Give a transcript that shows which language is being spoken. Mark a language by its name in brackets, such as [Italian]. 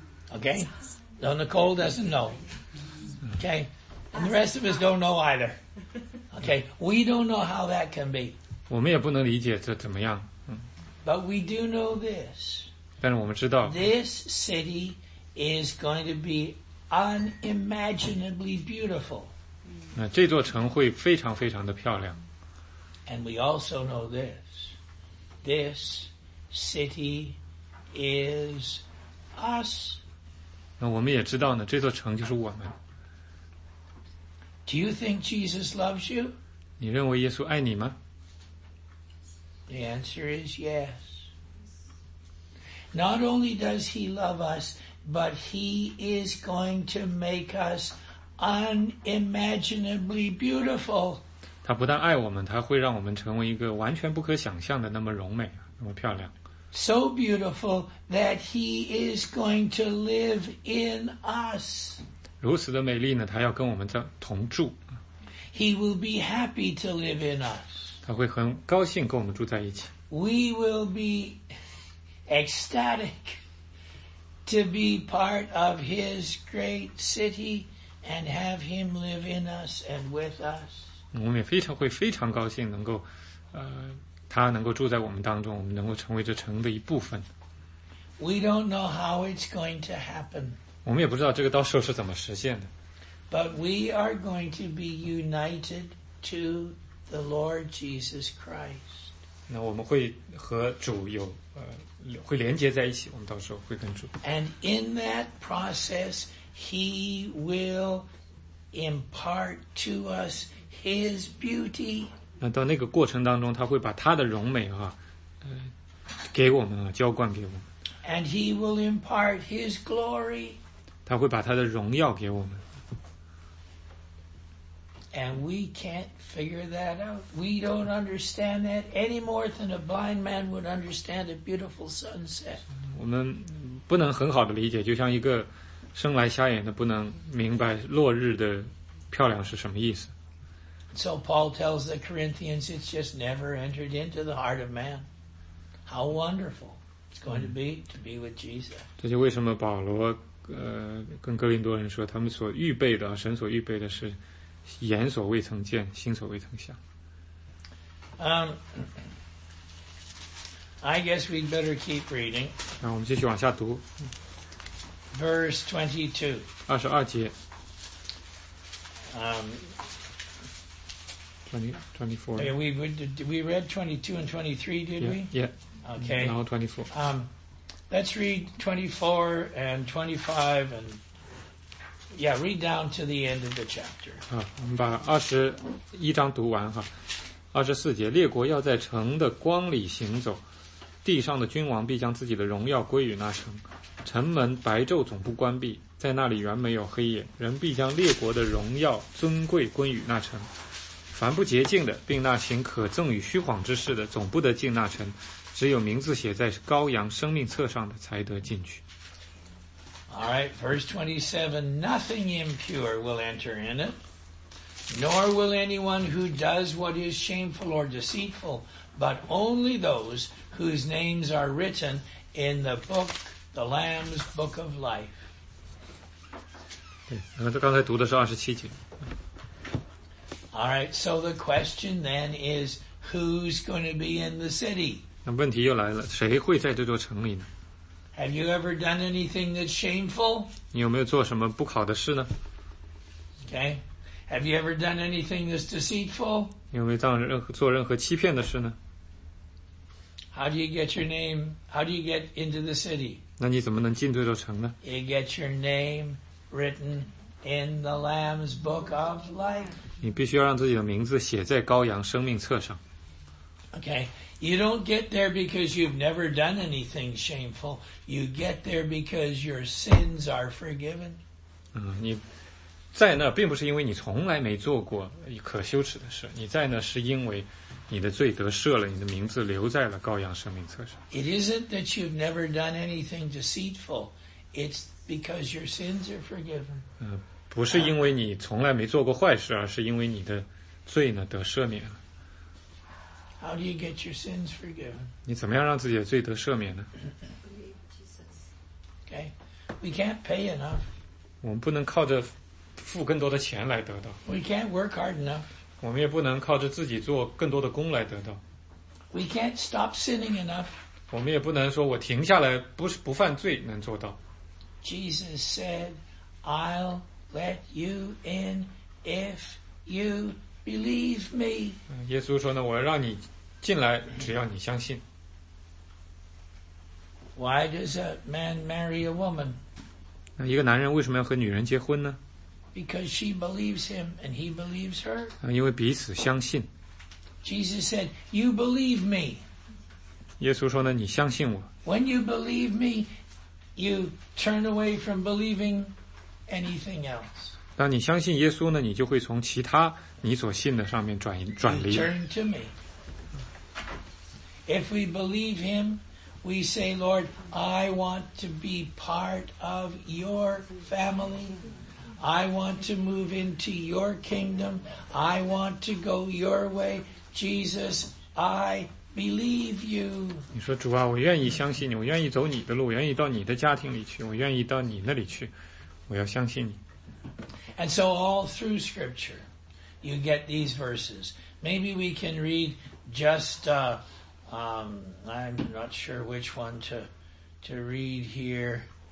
[English] Okay, so Nicole doesn't know. Okay. And the rest of us don't know either. Okay, we don't know how that can be. [Chinese] 我们也不能理解这怎么样。 [English] But we do know this. [Chinese] 但是我们知道。 [English] This city is going to be unimaginably beautiful. [Chinese] 那这座城会非常非常的漂亮。 [English] And we also know this. This city is us. [Chinese] 那我们也知道呢，这座城就是我们。 [English] Do you think Jesus loves you? [Chinese] 你认为耶稣爱你吗？ [English] The answer is yes. Not only does he love us, but he is going to make us unimaginably beautiful. [Chinese] 他不但爱我们，他会让我们成为一个完全不可想象的那么容美，那么漂亮。 [English] So beautiful that he is going to live in us. [Chinese] 如此的美丽呢，他要跟我们同住。 [English] He will be happy to live in us. [Chinese] 他会很高兴跟我们住在一起。 [English] We will be ecstatic to be part of his great city and have him live in us and with us. [Chinese] 我们也非常高兴能够，他能够住在我们当中，我们能够成为这城的一部分。 [English] We don't know how it's going to happen. [Chinese] 我们也不知道这个到时候是怎么实现的。 [English] But we are going to be united to the Lord Jesus Christ. [Chinese] 那我们会和主有会连接在一起，我们到时候会跟主。 [English] And in that process, he will impart to us his beauty. [Chinese] 那到那个过程当中，他会把他的荣美给我们，浇灌给我们。 [English] And he will impart his glory. [Chinese] 他会把他的荣耀给我们。 [English] And we can't figure that out. We don't understand that any more than a blind man would understand a beautiful sunset. [Chinese] 我们不能很好的理解，就像一个生来瞎眼的不能明白落日的漂亮是什么意思。 [English] So Paul tells the Corinthians, it's just never entered into the heart of man. How wonderful it's going to be with Jesus. [Chinese] 这就为什么保罗跟哥林多人说，他们所预备的，神所预备的是眼所未曾见，心所未曾想。 [English] I guess we'd better keep reading. [Chinese] 那我们继续往下读。 [English] Verse [Chinese] 22. 22节。 [English] 24. Okay, we read 22 and 23, did we? Yeah. Okay. Now 24. Let's read 24 and 25 and, yeah, read down to the end of the chapter. [Chinese] 好，我们把21章读完哈。 24节，列国要在城的光里行走，地上的君王必将自己的荣耀归于那城。城门白昼总不关闭，在那里原没有黑夜。人必将列国的荣耀尊贵归于那城。凡不洁净的，并那行可憎与虚谎之事的，总不得进那城。只有名字写在羔羊生命册上的，才得进去。 [English] All right, verse 27. Nothing impure will enter in it, nor will anyone who does what is shameful or deceitful, but only those whose names are written in the book, the Lamb's book of life. [Chinese] 对，那刚才读的是27节。 [English] All right, so the question then is, who's going to be in the city? [Chinese] 那问题又来了，谁会在这座城里呢？ [English] Have you ever done anything that's shameful? [Chinese] 你有没有做什么不好的事呢？ [English] Okay, have you ever done anything that's deceitful? [Chinese] 你有没有做任何欺骗的事呢？ [English] How do you get your name? How do you get into the city? [Chinese] 那你怎么能进这座城呢？ [English] You get your name written in the Lamb's book of life. [Chinese] 你必须要让自己的名字写在羔羊生命册上。 [English] Okay, you don't get there because you've never done anything shameful. You get there because your sins are forgiven. [Chinese] 你在那并不是因为你从来没做过可羞耻的事，你在那是因为你的罪得赦了，你的名字留在了羔羊生命册上。 [English] It isn't that you've never done anything deceitful. It's because your sins are forgiven. [Chinese] 不是因为你从来没做过坏事，而是因为你的罪呢得赦免了。 [English] How do you get your sins forgiven? [Chinese] 你怎么样让自己的罪得赦免呢？ [English] Okay, we can't pay enough. [Chinese] 我们不能靠着付更多的钱来得到。 [English] We can't work hard enough. [Chinese] 我们也不能靠着自己做更多的工来得到。 [English] We can't stop sinning enough. [Chinese] 我们也不能说我停下来不犯罪能做到。 [English] Jesus said, I'll. Let you in if you believe me. [Chinese] 耶稣说呢，我让你进来，只要你相信。 [English] Why does a man marry a woman? [Chinese] 那一个男人为什么要和女人结婚呢？ [English] Because she believes him and he believes her. [Chinese] 因为彼此相信。 [English] Jesus said, "You believe me." [Chinese] 耶稣说呢，你相信我。 [English] When you believe me, you turn away from believing. Anything else? [Chinese] 当你相信耶稣呢，你就会从其他你所信的上面转离。 [English] Turn to me. If we believe him, we say, Lord, I want to be part of your family. I want to move into your kingdom. I want to go your way. Jesus, I believe you. [Chinese] 你说主啊，我愿意相信你，我愿意走你的路，我愿意到你的家庭里去，我愿意到你那里去。我要相信你。 [English] And so all through scripture, you get these verses. Maybe we can read just, I'm not sure which one to read here.